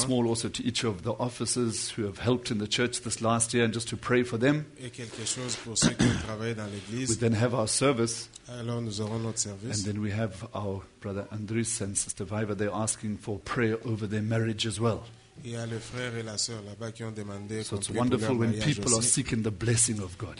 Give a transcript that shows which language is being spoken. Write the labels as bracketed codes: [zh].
[en] Small also to each of the officers who have helped in the church this last year, and just to pray for them. [fr] Et quelque chose pour ceux qui travaillent dans l'église. [en] We then have our service. [fr] Alors nous aurons notre service. [en] And then we have our brother Andrus and sister Viva. They're asking for prayer over their marriage as well. [fr] Il y a le frère et la sœur là-bas qui ont demandé. [en] So it's wonderful when people are seeking the blessing of God.